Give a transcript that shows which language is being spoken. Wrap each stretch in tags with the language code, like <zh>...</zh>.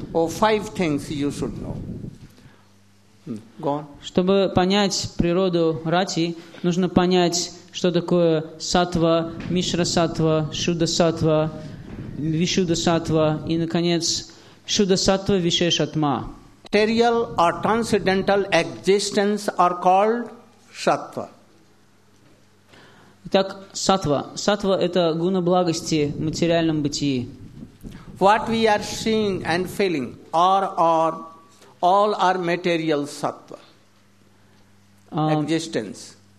<en>Five things you should know. Go on.</en> <ru>Чтобы понять природу рати, нужно понять, что такое сатва, мишра сатва, шуда сатва, вишуда сатва и, наконец, шуда сатва вишешатма.</ru> <en>Material or transcendental existence are called сатва.</en> <ru>Итак, сатва. Сатва – это гуна благости в материальном бытии.</ru> <en>What we are seeing and feeling are all our material sattva existence.</en>